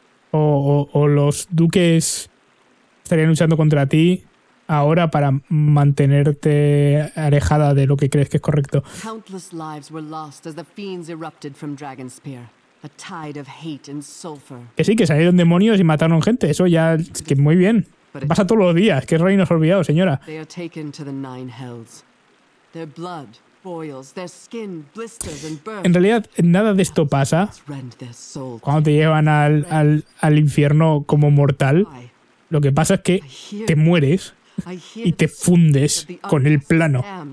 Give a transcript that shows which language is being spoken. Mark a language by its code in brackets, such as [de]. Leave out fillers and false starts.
[es] ¿O los duques estarían luchando contra ti ahora para mantenerte alejada de lo que crees que es correcto? [en] Countless lives were lost as the fiends erupted from Dragonspear, a tide of hate and sulfur. [es] Que sí, que salieron demonios y mataron gente, eso ya es que muy bien. Pasa todos los días, qué reino olvidado, señora. [en] They are taken to the nine hells. Their blood boils, their skin blisters and burns. [es] En realidad nada de esto pasa cuando te llevan al infierno como mortal. Lo que pasa es que te mueres y te fundes con el plano.